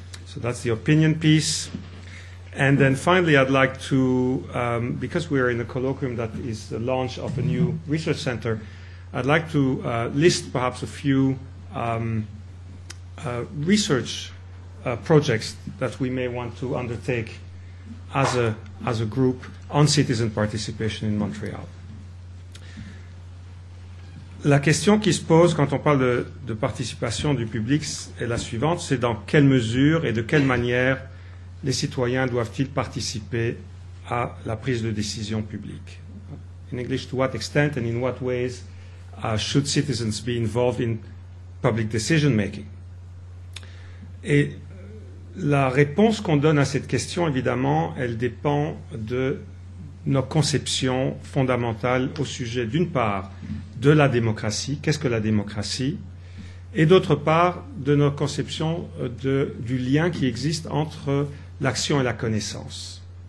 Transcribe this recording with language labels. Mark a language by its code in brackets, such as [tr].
[en] So that's the opinion piece. And then finally, I'd like to, because we're in a colloquium that is the launch of a new research center, I'd like to list perhaps a few research projects that we may want to undertake as a group on citizen participation in Montreal. [fr] La question qui se pose quand on parle de participation du public est la suivante, c'est dans quelle mesure et de quelle manière les citoyens doivent-ils participer à la prise de décision publique. [en] In English, to what extent and in what ways should citizens be involved in public decision-making. [fr] Et la réponse qu'on donne à cette question, évidemment, elle dépend de nos conceptions fondamentales au sujet, d'une part, de la démocratie, qu'est-ce que la démocratie, et d'autre part, de nos conceptions du lien qui existe entre l'action et la connaissance.